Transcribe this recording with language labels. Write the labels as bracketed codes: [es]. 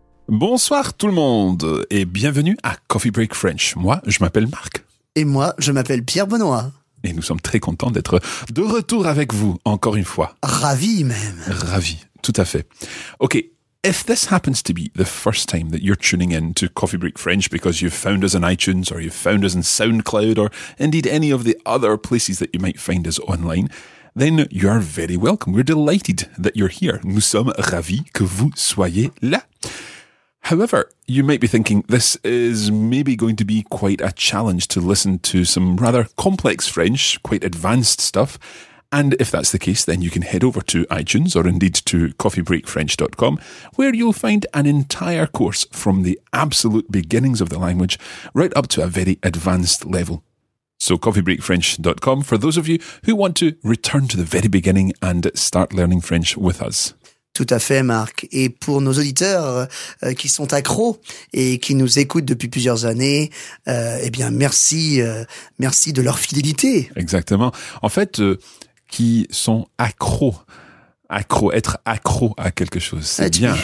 [fr] Bonsoir tout le monde et bienvenue à Coffee Break French. Moi, je m'appelle Marc. Et moi, je m'appelle Pierre Benoît. Et nous sommes très contents d'être de retour avec vous encore une fois. Ravi même. Ravi, tout à fait. [en] Ok, if this happens to be the first time that you're tuning in to Coffee Break French because you've found us on iTunes or you've found us in SoundCloud or indeed any of the other places that you might find us online, then you are very welcome. We're delighted that you're here. [fr] Nous sommes ravis que vous soyez là. [en] However, you might be thinking this is maybe going to be quite a challenge to listen to some rather complex French, quite advanced stuff. And if that's the case, then you can head over to iTunes or indeed to coffeebreakfrench.com, where you'll find an entire course from the absolute beginnings of the language right up to a very advanced level. So coffeebreakfrench.com for those of you who want to return to the very beginning and start learning French with us. [fr] Tout à fait, Marc. Et pour nos auditeurs qui sont accros et qui nous écoutent depuis plusieurs années, eh bien, merci de leur fidélité. Exactement. En fait, qui sont accros, être accro à quelque chose, c'est bien.